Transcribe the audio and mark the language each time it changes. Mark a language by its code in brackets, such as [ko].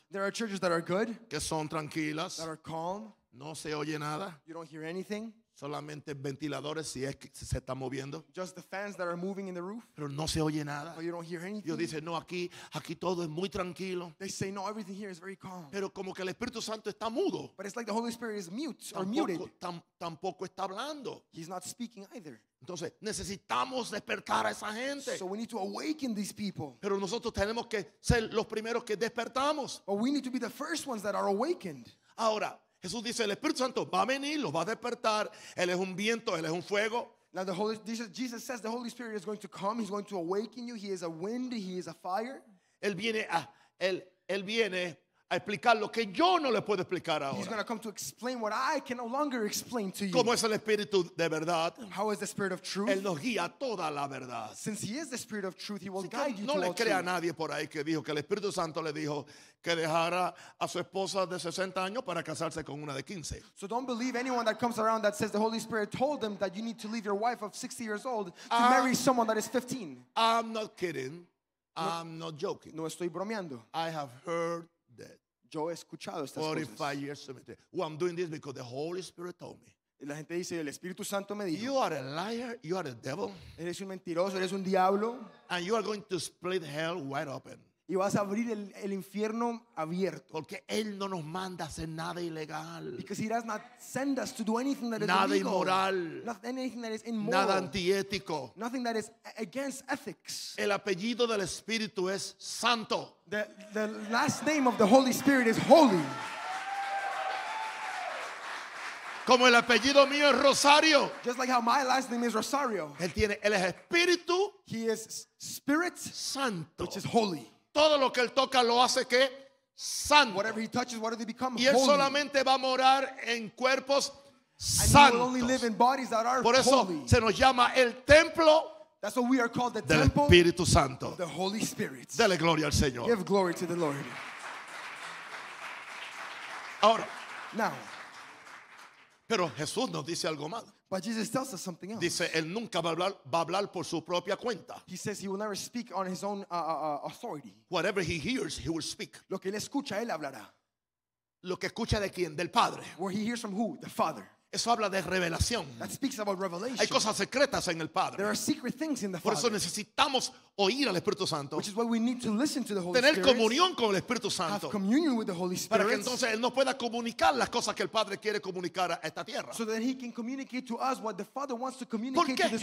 [en] There are churches that are good. [es] Que son tranquilas. [en] That are calm. [es] No se oye nada. [en] You don't hear anything. [es] Solamente ventiladores si es que se está moviendo. [en] Just the fans that are moving in the roof. [es] Pero no se oye nada. [en] But you don't hear anything. [es] Dios dice, no, aquí todo es muy tranquilo. [en] They say, no, everything here is very calm. [es] Pero como que el Espíritu Santo está mudo. [en] But it's like the Holy Spirit is mute or muted. [es] Tampoco está hablando. [en] He's not speaking either. [es] Entonces, necesitamos despertar a esa gente. [en] So we need to awaken these people. [es] Pero nosotros tenemos que ser los primeros que despertamos. [en] But we need to be the first ones that are awakened. [es] Ahora, Jesús dice, el Espíritu Santo va a venir, los va a despertar. Él es un viento, Él es un fuego. [en] Now the Holy, Jesus says the Holy Spirit is going to come. He's going to awaken you. He is a wind, He is a fire. [es] Él viene a explicar lo que yo no le puedo explicar ahora. [en] He's going to come to explain what I can no longer explain to you. [es] ¿Cómo es el Espíritu de verdad? [en] How is the Spirit of truth? [es] Él nos guía toda la verdad. [en] Since He is the Spirit of truth, He will guide you to all [es] truth. No le crea a nadie por ahí que dijo que el Espíritu Santo le dijo que dejara a su esposa de 60 años para casarse con una de 15. [en] So don't believe anyone that comes around that says the Holy Spirit told them that you need to leave your wife of 60 years old to marry someone that is 15. I'm not kidding. I'm not joking. [es] No estoy bromeando. [en] I have heard that. [es] Yo he escuchado estas 45 cosas. [en] Years of ministry. Well, I'm doing this because the Holy Spirit told me. [es] La gente dice, el Espíritu Santo me dijo. [en] You are a liar. You are a devil. [es] Eres un mentiroso. Eres un diablo. [en] And you are going to split hell wide open. [es] Y vas a abrir el infierno abierto. Porque Él no nos manda a hacer nada ilegal. [en] Because He does not send us to do anything that is [es] nada [en] illegal. [es] Inmoral. [en] Nothing, anything that is immoral. [es] Nada antiético. [en] Nothing that is against ethics. [es] El apellido del Espíritu es Santo. [en] The last name of the Holy Spirit is Holy. [es] Como el apellido mío es Rosario. [en] Just like how my last name is Rosario. [es] Él es Espíritu. [en] He is Spirit. [es] Santo. [en] Which is Holy. [es] Todo lo que él toca lo hace que santo. [en] Whatever he touches, what do they become? [es] Y él [en] holy. [es] Solamente va a morar en cuerpos [en] and [es] santos. [en] He will only live in bodies that are [es] por eso [en] holy. [es] Se nos llama el templo. [en] That's what we are called, the [es] del [en] temple [es] Espíritu Santo. [en] The Holy Spirit. [es] Dele gloria al Señor. [en] Give glory to the Lord. [es] Ahora. [en] Now. [es] Pero Jesús nos dice algo más. [en] But Jesus tells us something else. [es] Dice, él nunca va a hablar por su propia cuenta. [en] He says he will never speak on his own authority. Whatever he hears, he will speak. [es] Lo que él escucha, él hablará. Lo que escucha de quién, del Padre. [en] Where he hears from who? The Father. [es] Eso habla de revelación. [en] That speaks about revelation. [es] Hay cosas secretas en el Padre. [en] There are secret things in the Father. [es] Por eso necesitamos oír al Espíritu Santo. [en] Which is why we need to listen to the Holy [es] Tener [en] Spirit. [es] Tener comunión con el Espíritu Santo. [en] Have communion with the Holy Spirit. [es] Para que entonces él nos pueda comunicar las cosas que el Padre quiere comunicar a esta tierra. [en] So that he can communicate to us what the Father wants to communicate to this